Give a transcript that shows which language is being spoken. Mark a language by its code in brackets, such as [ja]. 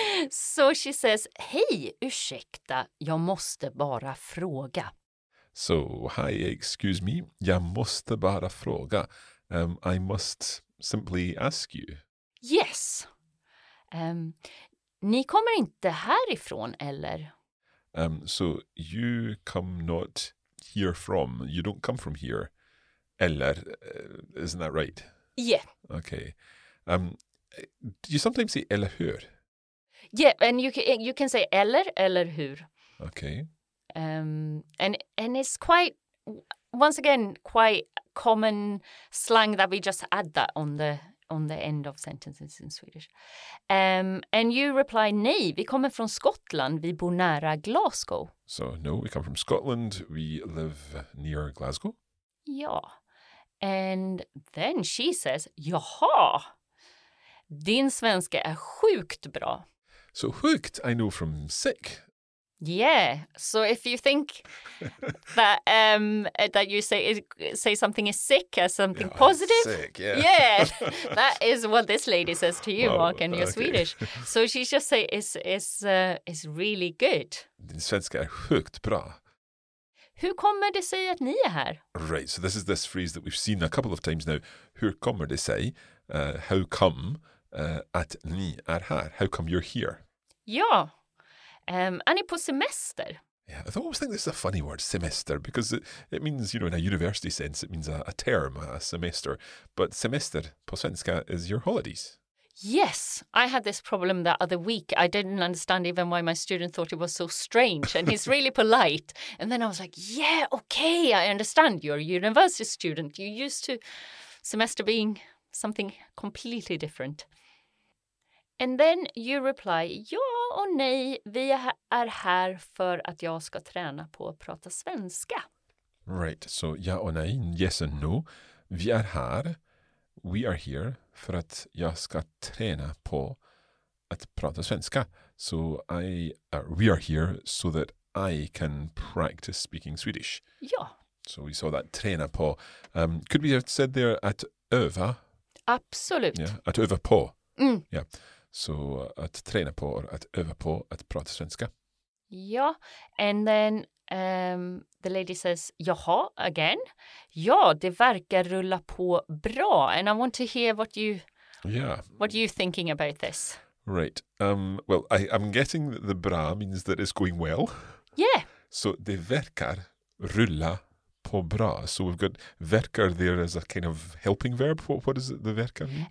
[en] So she says, [sv] hej, ursäkta, jag måste bara fråga. [en] So, hi, excuse me, [sv] jag måste bara fråga. [en] I must simply ask you. Yes. [sv] Ni kommer inte härifrån, eller? [en] So, you come not here from. You don't come from here. Eller, isn't that right? Yeah. Okay. Do you sometimes say eller hur? Yeah, and you can say eller hur. Okay. And it's quite, once again, quite common slang that we just add that on the end of sentences in Swedish. And you reply, [sv] nej, vi kommer från Skottland, vi bor nära Glasgow. [en] So, no, we come from Scotland, we live near Glasgow. [sv] Ja. [en] And then she says, [sv] jaha, din svenska är sjukt bra. [en] So, sjukt, I know from sick. Yeah, so if you think that that you say something is sick as something positive, sick, yeah. That is what this lady says to you, Mark, and you're okay. Swedish. So she just say is really good. [sv] Din svenska är sjukt bra. Hur kommer det sig att ni är här? [en] Right, so this is this phrase that we've seen a couple of times now. [sv] Hur kommer det sig? [en] How come [sv] att ni är här? [en] How come you're here? Ja. And it was semester. Yeah, I always think this is a funny word, semester, because it means, you know, in a university sense, it means a term, a semester. But semester [sv] på svenska [en] is your holidays. Yes, I had this problem the other week. I didn't understand even why my student thought it was so strange, and he's really polite. And then I was like, yeah, okay, I understand. You're a university student. You're used to semester being something completely different. And then you reply, [sv] ja och nej, vi är här för att jag ska träna på att prata svenska. [en] Right, so [sv] ja och nej, [en] yes and no. [sv] Vi är här, [en] we are here, [sv] för att jag ska träna på att prata svenska. [en] So we are here so that I can practice speaking Swedish. [sv] Ja. [en] So we saw that träna på. Could we have said there [sv] att öva Absolut. Ja, att öva på. Mm. Ja. Så att träna på, att öva på att prata svenska. [en] Ja, and then the lady says, jaha, again. [sv] Ja, det verkar rulla på bra. [en] And I want to hear what you, yeah, what are you thinking about this? Right. Well, I'm getting that the bra means that it's going well. Yeah. [sv] So det verkar rulla på bra. [en] So we've got verkar there as a kind of helping verb. What is it, the verkar?